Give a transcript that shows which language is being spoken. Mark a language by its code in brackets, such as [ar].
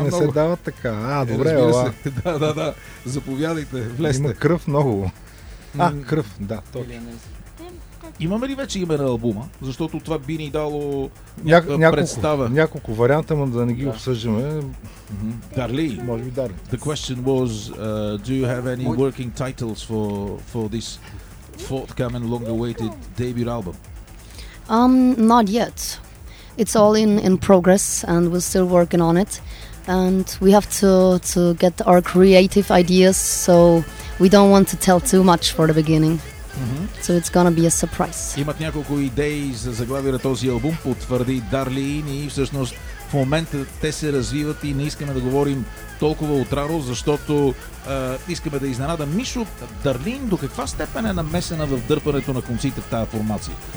[bg] не се дават така. А, добре, ова. Да, да, да. Заповядайте, влезте. Има кръв много. А, кръв, да, точно. Имаме ли вече име на албума? Защото това би ни дало някаква представа. Няколко варианта, но да не ги обсъждаме. Дарли. Може би Дарли. [en] The question was, do you have any working titles for this forthcoming long-awaited debut album? Not yet. It's all in progress and we're still working on it. And we have to get our creative ideas, so we don't want to tell too much for the beginning. So it's gonna be a surprise. [bg] Имат няколко идеи за заглавие на този албум, потвърди Дарлин, и всъщност в момента те се развиват и не искаме да говорим толкова отраро, защото искаме да изненадам Мишо. Дарлин до каква степен е намесена в дърпането на конците в тая формация?